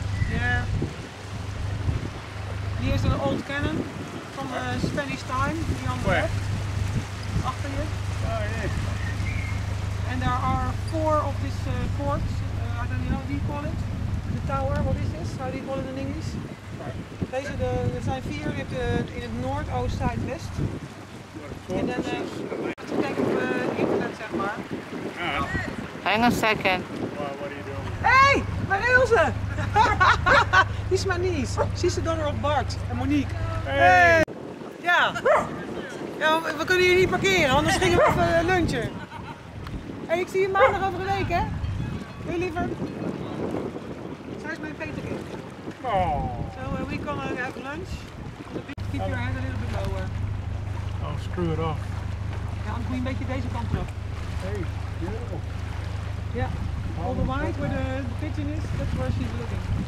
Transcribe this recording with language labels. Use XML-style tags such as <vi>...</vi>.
<nl>Yeah. Hier is een</nl> <en>old cannon</en> <nl>van Spanish time, die andere. Achter je.</nl> <en>Oh, yeah. And there are 4 of this forts, I don't know how do you call it. The tower, what is this? How do you call it in English?</en> <nl>Deze, er zijn 4, je hebt in het noord, oost, zuid, west. En dan moet je kijken op internet, zeg maar. Ja. Hang a second.</nl> <en>What are you doing?</en> <nl>Hey, waar is Ilse? Die is mijn niece.</nl> <en>She's the daughter of Bart en Monique. Hey.</en> <nl>Ja. Ja, we kunnen hier niet parkeren, anders gingen we even lunchen. Hey, ik zie je maandag over een week, hè? Doei, liever. Zij is mijn peterkind. Oh.</nl> <en>So, we gonna have lunch. Keep your head a little bit lower. Oh, screw it off.</en> <nl>Ja, anders moet je een beetje deze kant op.</nl> <en>Hey, beautiful. Ja, yeah. All the white where the pigeon is, that's where she's looking.</en>